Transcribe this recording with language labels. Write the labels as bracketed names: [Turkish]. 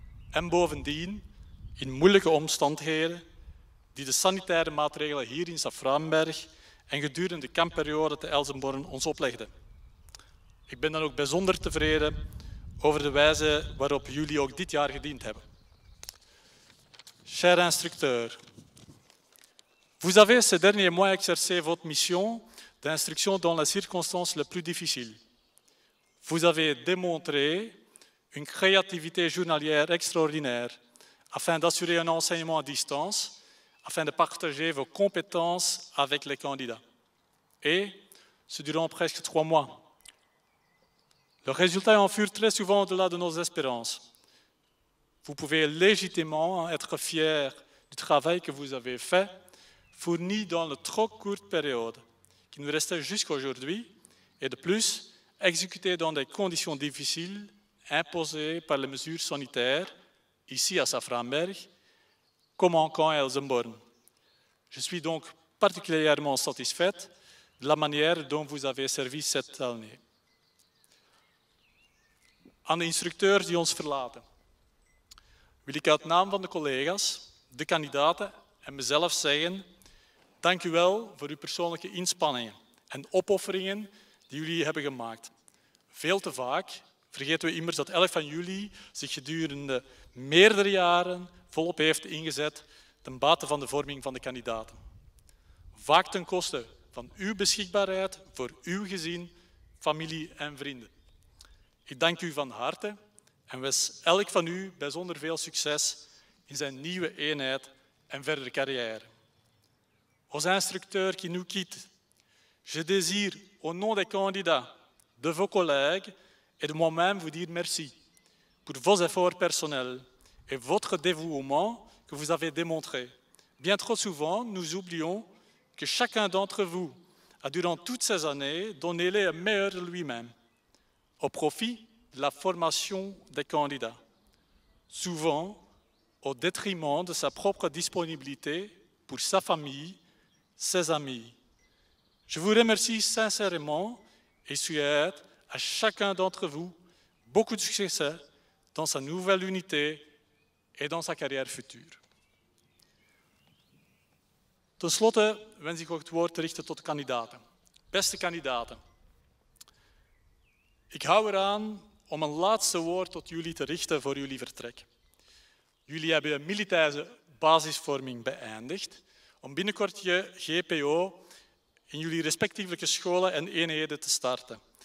[Dutch] En bovendien, in moeilijke omstandigheden, die de sanitaire maatregelen hier in Saframberg en gedurende de kampperiode te Elsenborn ons oplegden. Ik ben dan ook bijzonder tevreden over de wijze waarop jullie ook dit jaar gediend hebben. [French] Cher instructeur, vous avez ces derniers mois exercé votre mission d'instruction dans les circonstances les plus difficiles. Vous avez démontré une créativité journalière extraordinaire afin d'assurer un enseignement à distance, afin de partager vos compétences avec les candidats. Et ce durant presque 3 mois. Le résultat en fut très souvent au-delà de nos espérances. Vous pouvez légitimement être fier du travail que vous avez fait, fourni dans la trop courte période qui nous restait jusqu'aujourd'hui, et de plus, exécuté dans des conditions difficiles imposées par les mesures sanitaires, ici à Saframberg, comme en camp à Elsenborn. Je suis donc particulièrement satisfaite de la manière dont vous avez servi cette année. [Dutch] Aan de instructeurs die ons verlaten, wil ik uit naam van de collega's, de kandidaten en mezelf zeggen, dank u wel voor uw persoonlijke inspanningen en opofferingen die jullie hebben gemaakt. Veel te vaak vergeten we immers dat 11 van jullie zich gedurende meerdere jaren volop heeft ingezet ten bate van de vorming van de kandidaten. Vaak ten koste van uw beschikbaarheid voor uw gezin, familie en vrienden. Ik dank u van harte en wens elk van u bijzonder veel succes in zijn nieuwe eenheid en verdere carrière. [French] Aux instructeurs qui nous quittent, je désire au nom des candidats, de vos collègues et de moi-même vous dire merci pour vos efforts personnels et votre dévouement que vous avez démontré. Bien trop souvent, nous oublions que chacun d'entre vous a durant toutes ces années donné le meilleur de lui-même au profit de la formation des candidats, souvent au détriment de sa propre disponibilité pour sa famille, ses amis. Je vous remercie sincèrement et souhaite à chacun d'entre vous beaucoup de succès dans sa nouvelle unité et dans sa carrière future. [Dutch] Ten slotte wens ik ook het woord te richten tot de kandidaten. Beste kandidaten, ik hou eraan om een laatste woord tot jullie te richten voor jullie vertrek. Jullie hebben een militaire basisvorming beëindigd om binnenkort je GPO in jullie respectievelijke scholen en eenheden te starten.